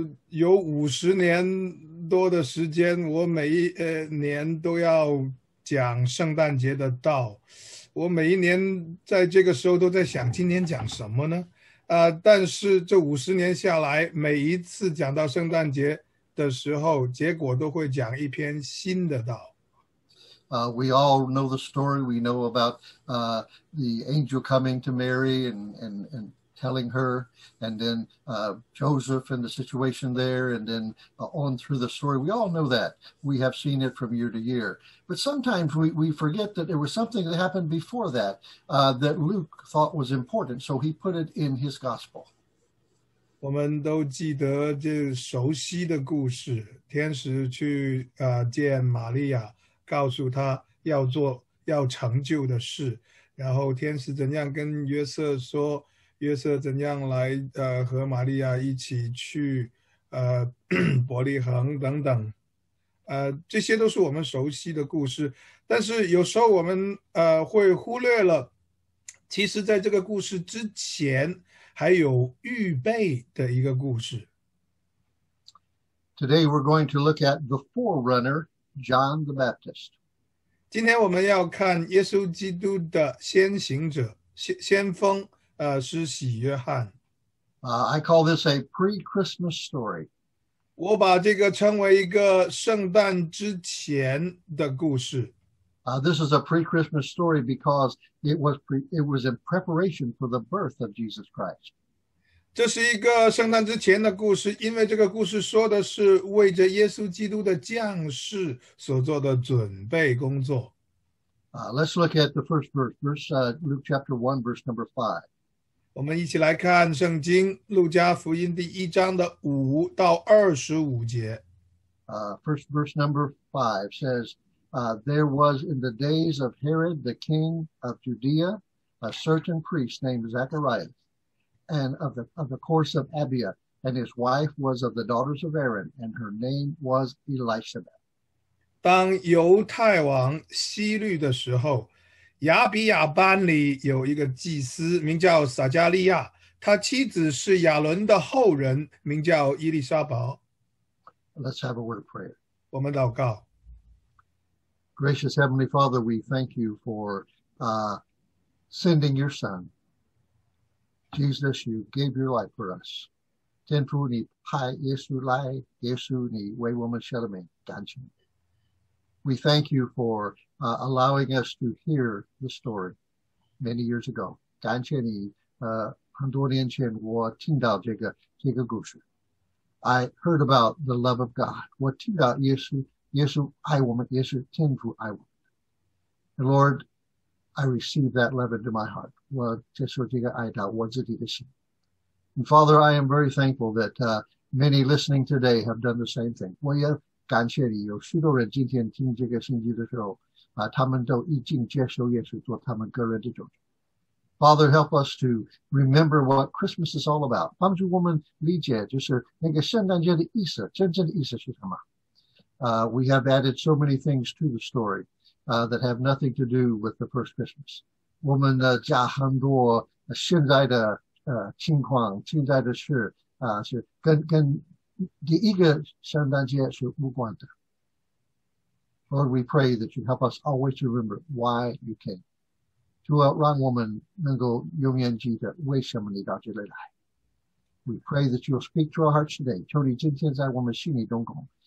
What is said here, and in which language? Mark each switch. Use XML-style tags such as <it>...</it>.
<zh>有50年多的时间，我每一年都要讲圣诞节的道。我每一年在这个时候都在想，今年讲什么呢？但是这50年下来，每一次讲到圣诞节的时候，结果都会讲一篇新的道。</zh> <en>We all know the story. We know about the angel coming to Mary and telling her, and then Joseph and the situation there, and then on through the story. We all know that. We have seen it from year to year. But sometimes we forget that there was something that happened before that that Luke thought was important, so he put it in his gospel.</en> <zh>我们都记得这熟悉的故事，天使去见玛利亚，告诉她要做要成就的事，然后天使怎样跟约瑟说，约瑟怎样来和玛利亚一起去伯利恒等等，这些都是我们熟悉的故事，但是有时候我们会忽略了，其实在这个故事之前。还有预备的一个故事。</zh> <en>Today we're going to look at the forerunner, John the Baptist.</en> <zh>今天我们要看耶稣基督的先行者、先锋，施洗约翰。</zh> <en>I call this a pre-Christmas story.</en> <zh>我把这个称为一个圣诞之前的故事。</zh> <en>This is a pre-Christmas story because it was in preparation for the birth of Jesus Christ.</en> <zh>这是一个圣诞之前的故事，因为这个故事说的是为着耶稣基督的降世所做的准备工作。</zh> <en>Let's look at the first verse, Luke chapter 1, verse number 5.</en> <zh>我们一起来看圣经《路加福音》第一章的5到25节。</zh> <en>First verse number 5 says, There was in the days of Herod the king of Judea a certain priest named Zacharias, and of the course of Abia, and his wife was of the daughters of Aaron, and her name was Elisabeth.</en> <zh>当犹太王希律的时候，亚比亚班里有一个祭司，名叫撒加利亚，他妻子是亚伦的后人，名叫伊丽莎白。</zh> <en>Let's have a word of prayer.</en> <zh>我们祷告。</zh> <en>Gracious Heavenly Father, we thank you for sending your Son. Jesus, you gave your life for us.</en> <zh>天父，你派耶稣来，耶稣，你为我们舍了命，感谢你。</zh> <en>We thank you for allowing us to hear the story many years ago.</en> <zh>感谢你，很多年前我听到这个故事。</zh> <en>I heard about the love of God.</en> <zh>我听到耶稣爱我们，耶稣天父爱我们。</zh> <en>Lord, I receive that love into my heart.</en> <zh>我接受这个爱到我自己的心。</zh> <en>And Father, I am very thankful that many listening today have done the same thing.</en> <zh>我也感谢你，有许多人今天听这个信息的时候，他们都已经接受耶稣做他们个人的救主。</zh> <en>Father, help us to remember what Christmas is all about.</en> <zh>帮助我们理解，就是那个圣诞节的意思，真正的意思是什么？</zh> <en>We have added so many things to the story that have nothing to do with the first Christmas.</en> <zh>我们加很多现在的情况，现在的事是跟第一个圣诞节是无关的。</zh> <en>Lord, we pray that you help us always to remember why you came,</en> <zh>主要让我们能够永远记得为什么你到这里来。</zh> <en>We pray that you'll speak to our hearts today.</en> <zh>求你今天在我们心里动工。</zh>